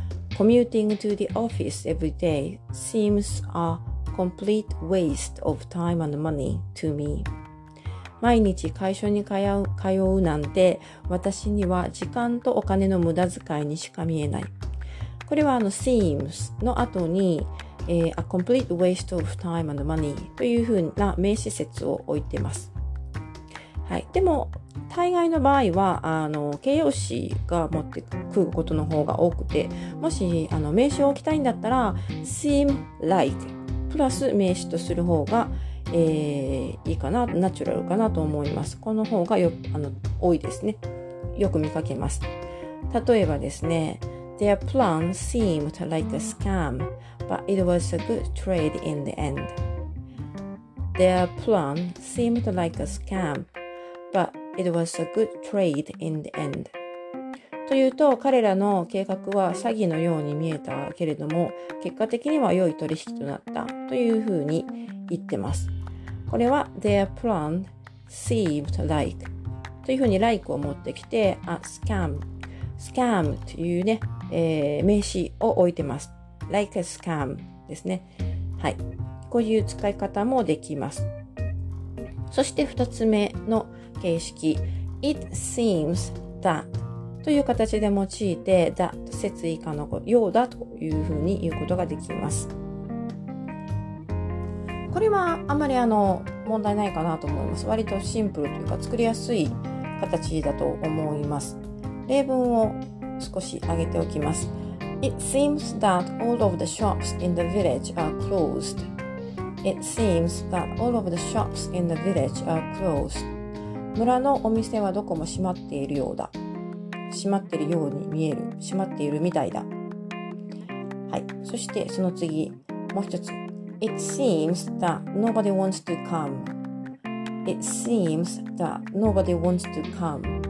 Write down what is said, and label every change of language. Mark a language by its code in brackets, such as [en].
[en] commuting to the office every day seems a complete waste of time and money to me. [ja] 毎日会社に通うなんて私には時間とお金の無駄遣いにしか見えない。これはseems の後に、 [en] a complete waste of time and money [ja] というふうな名詞節を置いています。はい。でも、大概の場合は、形容詞が持ってくることの方が多くて、もし、名詞を置きたいんだったら、seem like プラス名詞とする方が、いいかな、ナチュラルかなと思います。この方がよ、多いですね。よく見かけます。例えばですね、 [en] Their plan seemed like a scam, but it was a good trade in the end. Their plan seemed like a scam, but it was a good trade in the end. [ja] というと、彼らの計画は詐欺のように見えたけれども、結果的には良い取引となったというふうに言ってます。これは、 [en] Their plan seemed like [ja] というふうに like を持ってきて、a scam。 scam というね、名詞を置いてます。 like a scam ですね。はい。こういう使い方もできます。そして二つ目の形式。it seems that という形で用いて that 接尾かのようだというふうに言うことができます。これはあまり問題ないかなと思います。割とシンプルというか作りやすい形だと思います。例文を少し挙げておきます。 [en] It seems that all of the shops in the village are closed. It seems that all of the shops in the village are closed. [ja] 村のお店はどこも閉まっているようだ。閉まっているように見える。閉まっているみたいだ。はい。そしてその次、もう一つ。 [en] It seems that nobody wants to come. It seems that nobody wants to come.